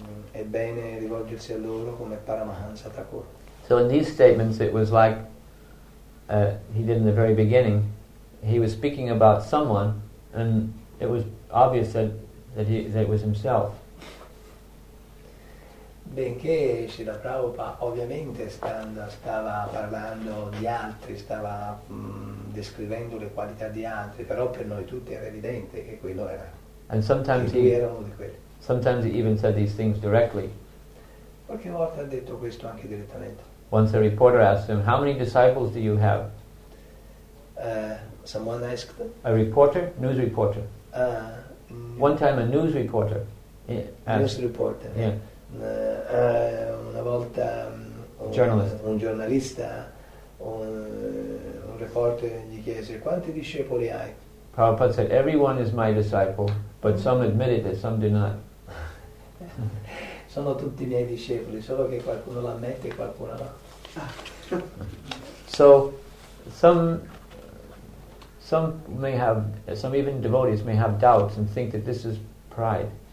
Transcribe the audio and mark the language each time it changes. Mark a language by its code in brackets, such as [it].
[it] È bene rivolgersi a loro come Paramahamsa Thakur. [en] So in these statements it was like he did in the very beginning. He was speaking about someone and it was obvious that it was himself. [it] Benché Srila Prabhupada ovviamente stava parlando di altri, stava descrivendo le qualità di altri, però per noi tutti era evidente che quello era. [en] And sometimes [it] che lui era uno di quelli. [en] Sometimes he even said these things directly. [it] Qualche volta ha detto questo anche direttamente. [en] Once a reporter asked him, "How many disciples do you have?" Someone asked. A reporter, news reporter. One time a news reporter. News reporter. Yeah. [it] Una volta un giornalista, un reporter gli chiese quanti discepoli hai. [en] Prabhupada said, "Everyone is my disciple, but some admit it and some do not." [it] Sono tutti miei discepoli, solo che qualcuno l'ammette e qualcuno no. [en] So some even devotees may have doubts and think that this is pride.